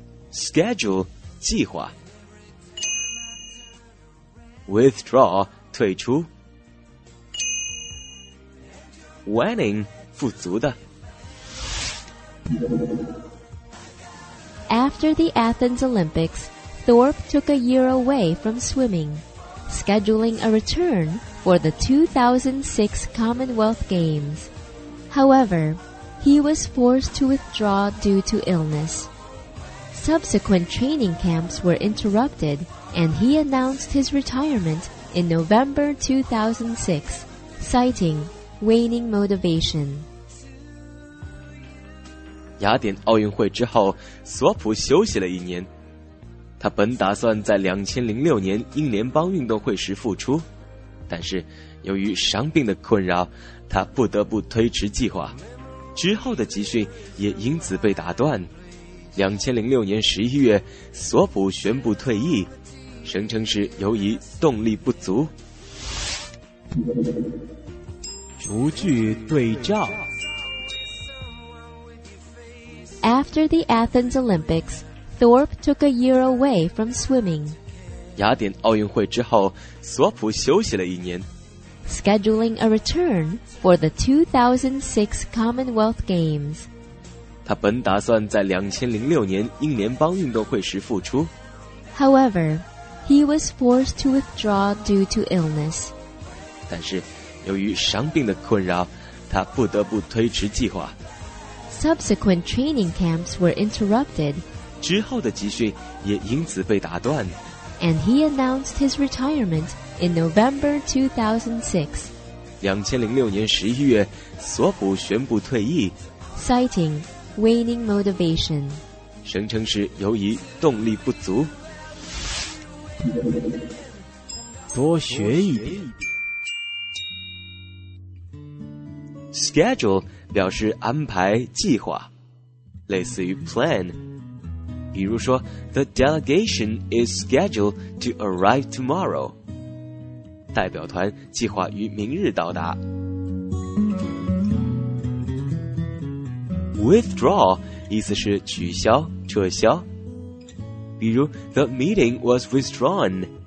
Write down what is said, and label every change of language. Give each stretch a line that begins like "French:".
Chinese: schedule 计划 withdraw 退出 winning 富足的
English: After the Athens Olympics, Thorpe took a year away from swimming, scheduling a return for the 2006 Commonwealth Games. However, he was forced to withdraw due to illness. Subsequent training camps were interrupted, and he announced his retirement in November 2006, citing waning motivation.
Chinese: 雅典奥运会之后，索普休息了一年。他本打算在2006年英联邦运动会时复出，但是由于伤病的困扰，他不得不推迟计划，之后的集训也因此被打断。 2006年11月，索普宣布退役，声称是由于动力不足。逐句对照。
English: After the Athens Olympics, Thorpe took a year away from swimming.
Chinese: 雅典奥运会之后，索普休息了一年。
English: Scheduling a return for the 2006 Commonwealth Games.
Chinese: 他本打算在2006年英联邦运动会时复出。
English: However, he was forced to withdraw due to illness.
Chinese: 但是，由于伤病的困扰，他不得不推迟计划。
English: Subsequent training camps were interrupted.
Chinese: 之后的集训也因此被打断。
English: And he announced his retirement in November 2006.
Chinese: 2006年11月，索普宣布退役。
English: Citing waning motivation.
Chinese: 声称是由于动力不足。多学一点。
English: Schedule.
Chinese: 表示安排计划，类似于 plan。比如说
English: ，The delegation is scheduled to arrive tomorrow。
Chinese: 代表团计划于明日到达。 Withdraw 意思是取消、撤销。比如
English: ，The meeting was withdrawn。